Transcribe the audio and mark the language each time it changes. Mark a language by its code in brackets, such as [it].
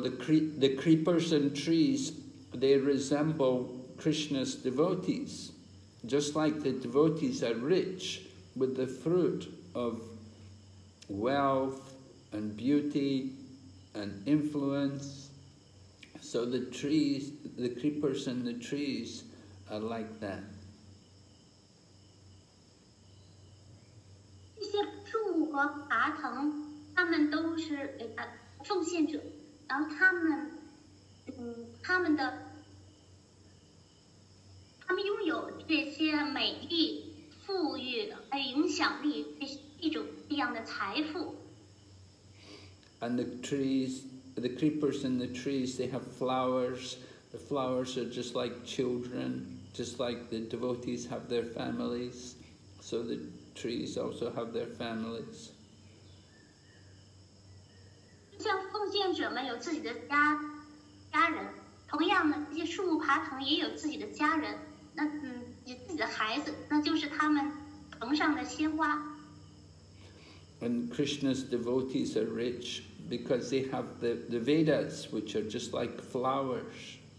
[en] the creepers and trees, they resemble Krishna's devotees, just like the devotees are rich with the fruit of wealth and beauty and influence. So the trees, the creepers and the trees are like that. [zh] 些树木和爬藤，他们都是给他奉献者，然后他们，他们的，他们拥有这些美丽、富裕的影响力，一种这样的财富。 [en] And the trees, the creepers in the trees, they have flowers. The flowers are just like children, just like the devotees have their families. So the trees also have their families. [zh] 像奉献者们有自己的家人，同样的，这些树木爬藤也有自己的家人。那有自己的孩子，那就是他们藤上的鲜花。 [en] And Krishna's devotees are rich because they have the Vedas, which are just like flowers.